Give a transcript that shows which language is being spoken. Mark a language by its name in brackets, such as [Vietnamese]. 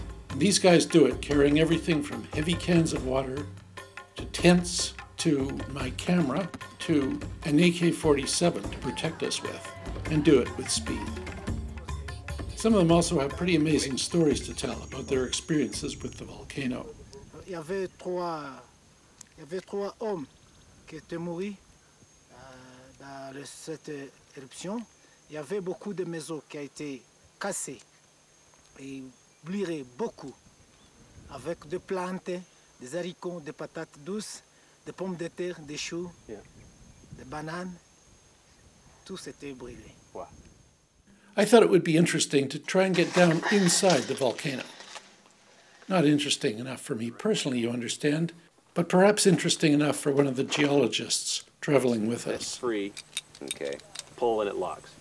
[English] And these guys do it carrying everything from heavy cans of water, to tents, to my camera, to an AK-47 to protect us with, and do it with speed. Some of them also have pretty amazing stories to tell about their experiences with the volcano. There were three men who died in this eruption, [French] Il y avait beaucoup de maisons qui a été cassées et blurées beaucoup, avec des plantes, des haricots, des patates douces, des pommes de terre, des choux, yeah, des bananes. Tout s'était brûlé. [English] Wow. I thought it would be interesting to try and get down inside the volcano. Not interesting enough for me personally, you understand, but perhaps interesting enough for one of the geologists traveling with us. It's free. Okay. Pull and it locks.